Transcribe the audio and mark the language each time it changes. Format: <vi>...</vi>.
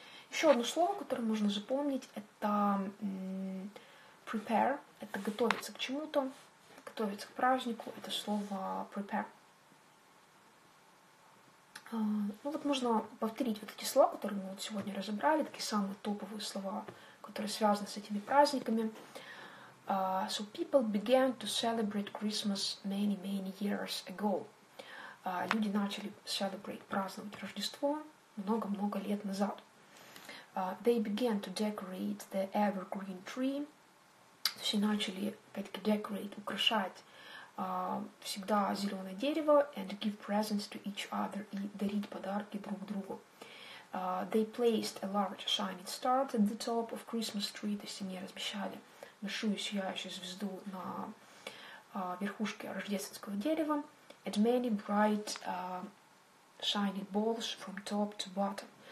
<ru>Еще одно слово, которое нужно запомнить, это prepare, это готовиться к чему-то, готовиться к празднику, это слово prepare. Ну вот можно повторить вот эти слова, которые мы вот сегодня разобрали, такие самые топовые слова, которые связаны с этими праздниками.</ru> <en>So people began to celebrate Christmas many, many years ago.</en> <ru>Люди начали celebrate, праздновать Рождество много-много лет назад.</ru> <en>They began to decorate the evergreen tree.</en> <ru>То есть они начали, опять-таки, decorate, украшать всегда зеленое дерево,</ru> <en>and give presents to each other,</en> <ru>и дарить подарки друг другу.</ru> <en>They placed a large shining star at the top of Christmas tree.</en> <ru>То есть они размещали большую сияющую звезду на верхушке рождественского дерева.</ru> <en>And many bright shining balls from top to bottom.</en>